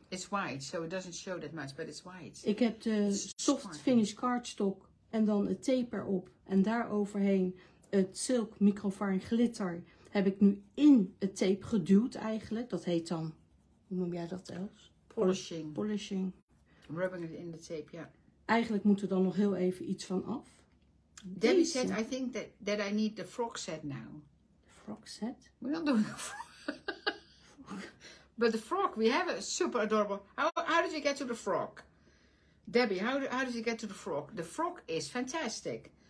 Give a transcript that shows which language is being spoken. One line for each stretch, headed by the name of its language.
English: It's white, so it doesn't show that much, but it's white.
Dutch: Ik heb de soft finish cardstock en dan het tape erop. En daar overheen het silk microfine glitter heb ik nu in het tape geduwd eigenlijk. Dat heet dan, hoe noem jij dat Els?
English: Polishing. Polishing. Rubbing it in the tape, ja. Yeah.
Dutch: Eigenlijk moet er dan nog heel even iets van af.
English: Debbie said, I think that I need the frog set now. Frog set? We're not doing a frog. But the frog, we have a super adorable. How did you get to the frog? Debbie, how did you get to the frog? The frog is fantastic.